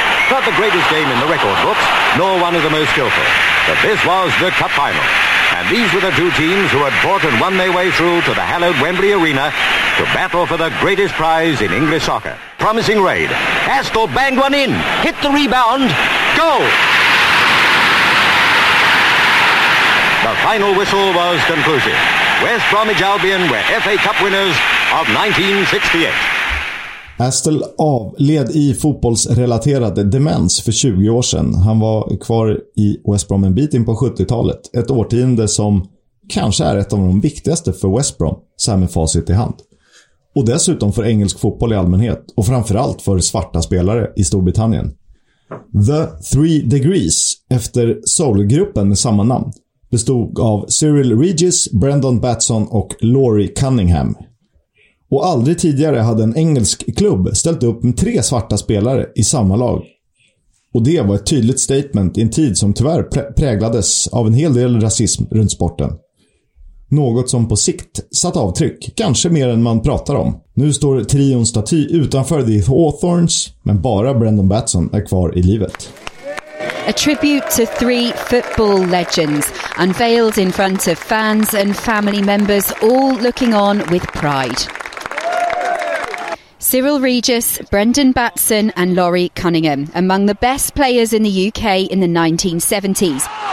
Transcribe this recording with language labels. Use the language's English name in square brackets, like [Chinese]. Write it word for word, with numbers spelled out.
[English] Not the greatest game in the record books, nor one of the most skillful, but this was the Cup Final, and these were the two teams who had fought and won their way through to the hallowed Wembley Arena to battle for the greatest prize in English soccer. Promising raid, Astle banged one in, hit the rebound, goal! The final whistle was conclusive. West Bromwich Albion were F A Cup winners of nineteen sixty-eight. [Swedish] Astel avled i fotbollsrelaterade demens för tjugo år sedan. Han var kvar i West Brom en bit in på sjuttiotalet. Ett årtionde som kanske är ett av de viktigaste för West Brom, så här med facit i hand. Och dessutom för engelsk fotboll i allmänhet och framförallt för svarta spelare i Storbritannien. The Three Degrees, efter soulgruppen med samma namn, bestod av Cyril Regis, Brendan Batson och Laurie Cunningham. Och aldrig tidigare hade en engelsk klubb ställt upp med tre svarta spelare i samma lag. Och det var ett tydligt statement i en tid som tyvärr prä- präglades av en hel del rasism runt sporten. Något som på sikt satt avtryck, kanske mer än man pratar om. Nu står trions staty utanför The Hawthorns, men bara Brendan Batson är kvar i livet. [English] A tribute to three football legends, unveiled in front of fans and family members, all looking on with pride. Cyril Regis, Brendan Batson and Laurie Cunningham, among the best players in the U K in the nineteen seventies.